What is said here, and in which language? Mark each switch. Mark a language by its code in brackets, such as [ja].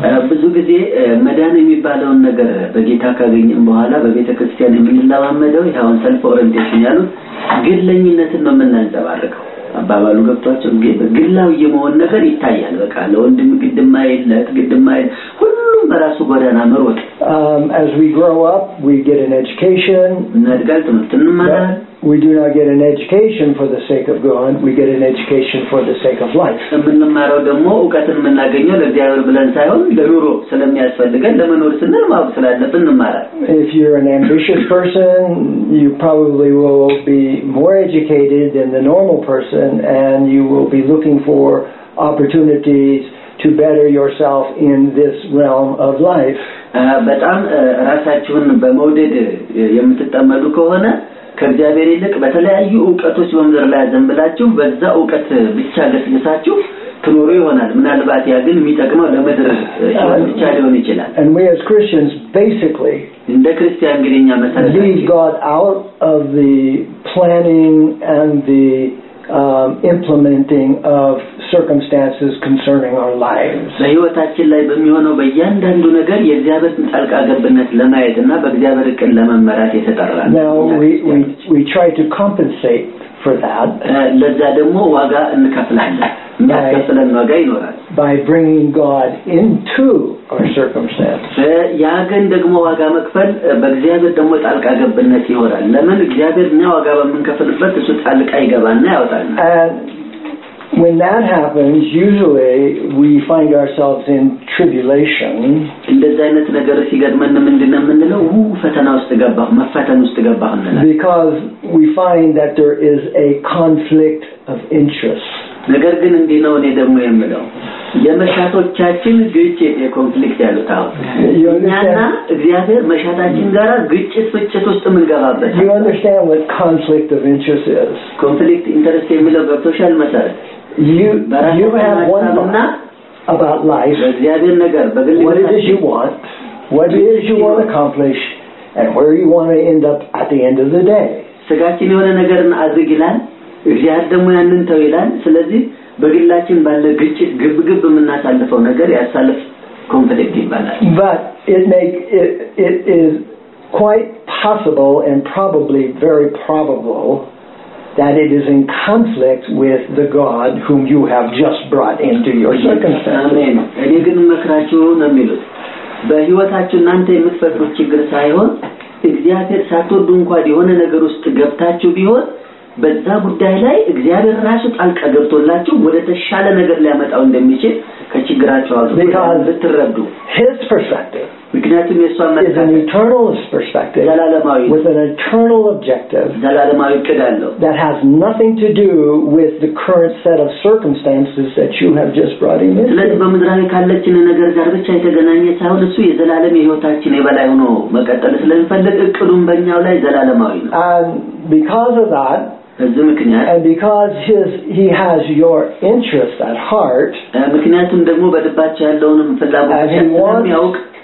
[am] ብዙ ጊዜ መዳን የሚባለው ነገር በጌታ ካገኘን በኋላ በቤተክርስቲያን የምንላመደው ያውን self orientation ያሉት ግለኝነትን ነው የምናንጸባርቀው. አባባሉ ገብቷቸው ግላው የመሆን ነገር ይታያል. በቃ ለወንድም ግድማ የለት ግድማ የለ ሁሉም በራሱ ጎዳና መሮጥ. [en] As we grow up we get an education. [am] እናድጋለን ትምህርት እንማራለን. [en] We do not get an education for the sake of God, we get an education for the sake of life. [am] እንደምናረው ደግሞ ዕውቀትን እናገኘው ለእግዚአብሔር ብለን ሳይሆን ለኑሮ ስለሚያስፈልገን ለመኖር ስንል ማለት ስለአለብን እንማራለን. [en] If you're an ambitious person, you probably will be more educated than the normal person and you will be looking for opportunities to better yourself in this realm of life. [am] በጣም ራሳችሁን በመውደድ የምትጠመዱ ከሆነ ከእግዚአብሔር ይልቅ በተለያየ ዕውቀቶች በመዝር ላይ ዘንብላችሁ በዛ ዕውቀት ብቻ ደስታችሁ ትኖሩ ይሆናል። ምናልባት ያ ግን የሚጠቅመው ለመድር ብቻ ሊሆን ይችላል። [en] And we as Christians basically [am] እንደ ክርስቲያን ግን እኛ መሰረታችን [en] leave God out of the planning and the implementing of circumstances concerning our lives. [am] በህይወታችን ላይ በሚሆነው በእያንዳንዱ ነገር የእግዚአብሔር ጣልቃ ገብነት ለማየትና በእግዚአብሔር ቅን ለመመራት የተጠራን። [en] Now we try to compensate for that. [am] ለዛ ደግሞ ዋጋ እንከፍላለን። እንከፍለን ዋጋ ይኖራል። [en] By bringing God into our circumstances. [am] ያ ግን ደግሞ ዋጋ መክፈል በእግዚአብሔር ደግሞ ጣልቃ ገብነት ይሆናል። ለምን እግዚአብሔር ነው ዋጋ በመንከፍልበት እሱ ጣልቃ ይገባና ያወጣልና። [en] When that happens, usually we find ourselves in tribulation. [am] እንደዛ አይነት ነገር ሲገጥመን ምንድነው የምንለው? ኡ ፈተና ውስጥ ገባሁ መፈተን ውስጥ ገባሁ እንላለን። [en] Because we find that there is a conflict of interest. [am] ነገር ግን እንዴ ነው እኔ ደግሞ የምለው? የመሻታችን ግጭት የኮንፍሊክት ያሉታው እኛና እግዚአብሔር መሻታችን ጋራ ግጭት ፍጭት ውስጥ ምንገባበት? [en] You understand what conflict of interest is? [am] Conflict interest የሚለው በሶሻል መሰረት [en] you have one thought about life. [am] እግዚአብሔር ነገር በግል [en] what is you want? What is you want to accomplish and where you want to end up at the end of the day? [am] ስጋችን የሆነ ነገርን አድርግ ይላል እግዚአብሔር ደግሞ ያንን ተው ይላል ስለዚህ በግላችን ባለ ግጭት ግብግብ ምናሳልፈው ነገር ያሳልፍ ኮንፍሊክት ይባላል [en] but it is quite possible and probably very probable that it is in conflict with the God whom you have just brought into your circumstances [am] amen እግን መከራችሁ ነው የሚሉት በህይወታችን እናንተ የምትፈጥሩት ችግር ሳይሆን እግዚአብሔር ሳትወዱ እንኳን የሆነ ነገር ውስጥ ገብታችሁ ቢሆን በዛ ጉዳይ ላይ እግዚአብሔር ራሱ ጣልቃ ገብቶላችሁ ወደ ተሻለ ነገር ሊያመጣው እንደሚችል ከችግራችሁ አውጥቶ ይካል ብትረዱ [en] his perspective [am] ምክንያቱም የሱ አመለካከት [en] is an eternal perspective [am] ዘላለማዊ [en] with an eternal objective [am] ዘላለማዊ እቅድ አለው [en] that has nothing to do with the current set of circumstances that you have just brought in [am] ስለዚህ በመድረክ ካለችን ነገር ጋር ብቻ የተገናኘ ሳይሆን እሱ የዘላለም የህይወታችን የበላይ ሆኖ መቀጠል ስለሚፈልግ እቅዱም በእኛው ላይ ዘላለማዊ ነው [en] and because of that and because he has your interest at heart [am] ምክንያቱም ደግሞ በልባችሁ ያለውንም ፍላጎት ያውቅ